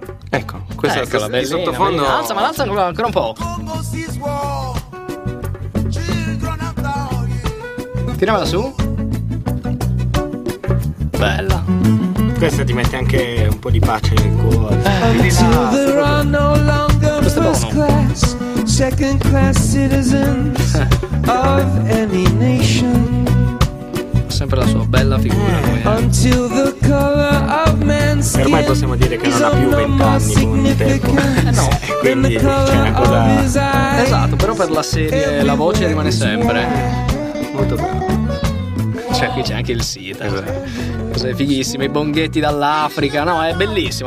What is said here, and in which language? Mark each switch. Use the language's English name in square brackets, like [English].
[Italian] Ecco, questa è la bellina, sottofondo. Alza, ma l'alza ancora un po'. Tiramela su. Bella. Questa ti mette anche un po' di pace nel cuore. [English] No longer first class, second class citizens of any nation. [Italian] Sempre la sua bella figura. [English] Until the color of man's skin. [Italian] Ormai possiamo dire che non ha più 20 anni, con il tempo. No. Quindi c'è una cosa. Esatto, però per la serie la voce rimane sempre. Molto bravo. Cioè, qui c'è anche il sito. Cose fighissime, i bonghetti dall'Africa. No, è bellissimo.